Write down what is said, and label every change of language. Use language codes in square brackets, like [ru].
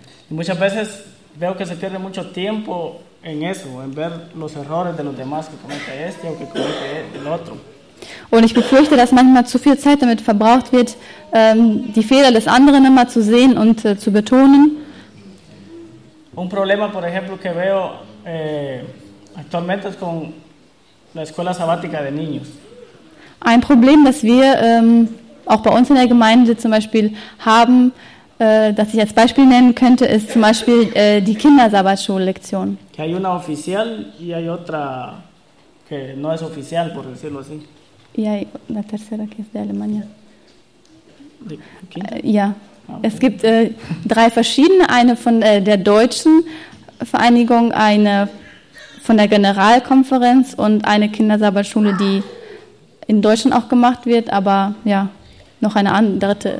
[es] Muchas veces veo que se pierde mucho tiempo en eso, en ver los errores de los demás, que comete este o que comete el otro. [de] Und ich befürchte, dass manchmal zu viel Zeit damit verbraucht wird, die Fehler des anderen immer zu sehen und zu betonen. [es] Un problema, por ejemplo, que veo actualmente es con la escuela sabática de niños. [de] Ein Problem, das wir auch bei uns in der Gemeinde zum Beispiel haben, das ich als Beispiel nennen könnte, ist zum Beispiel die Kindersabbatschullektion. [es] Que hay una oficial y hay otra que no es oficial, por decirlo así. Y hay la tercera que es de Alemania. [de] Ja, es gibt drei verschiedene, eine von der deutschen Vereinigung, eine von der Generalkonferenz und eine Kindersabbatschule, die in Deutschland auch gemacht wird, aber ja, noch eine dritte.